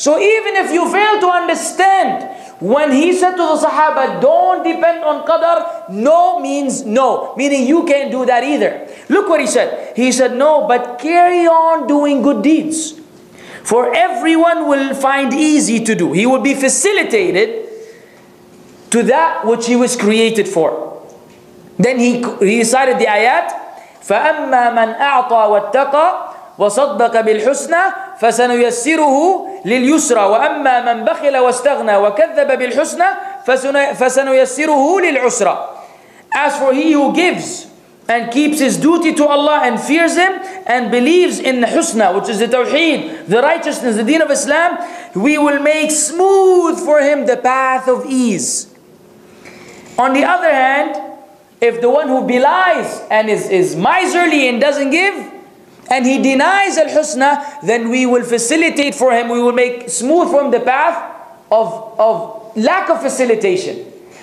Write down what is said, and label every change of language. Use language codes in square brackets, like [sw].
[en] So even if you fail to understand, when he said to the Sahaba, don't depend on Qadr, no means no. Meaning you can't do that either. Look what he said. He said, no, but carry on doing good deeds. For everyone will find easy to do. He will be facilitated to that which he was created for. [ar] Then he recited the ayat, فَأَمَّا مَنْ أَعْطَى وَاتَّقَى وَصَدَّقَ بِالْحُسْنَى فَسَنُيَسِّرُهُ لِلْيُسْرَى وَأَمَّا مَنْ بَخِلَ وَاسْتَغْنَى وَكَذَّبَ بِالْحُسْنَى فَسَنُيَسِّرُهُ لِلْعُسْرَى. [en] As for he who gives and keeps his duty to Allah and fears Him and believes in the Husna, which is the Tawheed, the righteousness, the Deen of Islam, we will make smooth for him the path of ease. On the other hand, if the one who belies and is miserly and doesn't give, and he denies al-husna, then we will facilitate for him, we will make smooth for him the path of lack of facilitation.